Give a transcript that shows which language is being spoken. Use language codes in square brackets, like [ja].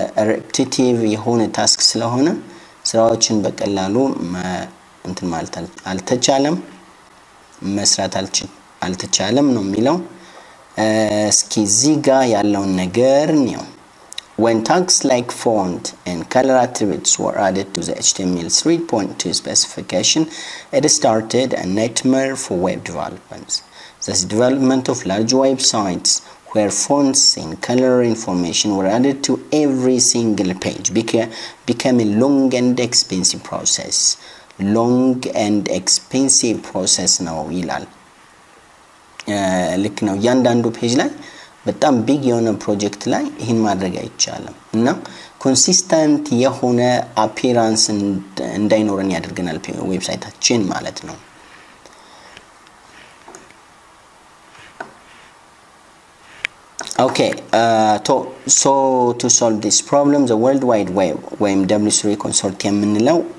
[am] ሪፕቲቲቭ የሆነ ታስክ ስለሆነ ስራዎችን በቀላሉ እንትን ማለት አልተቻለም፣ መስራት አልተቻለም ነው የሚለው። እስኪ እዚህ ጋር ያለውን ነገር ነው። [en] When tags like font and color attributes were added to the HTML 3.2 specification, it started a nightmare for web developers. This development of large websites where fonts and color information were added to every single page became a long and expensive process. [am] Now, ይላል። ልክ ነው ያንዳንዱ ፔጅ ላይ በጣም ቢግ የሆነ ፕሮጀክት ላይ ይህን ማድረግ አይቻልም እና ኮንሲስተንት የሆነ አፒራንስ እንዳይኖረን ያደርገናል ዌብሳይታችን ማለት ነው። [en] ኦኬ ሶ ቱ ሶልቭ ዲስ ፕሮብለም ዘ ወርልድ ዋይድ ዌብ [am] ወይም W3 ኮንሶርቲየም የምንለው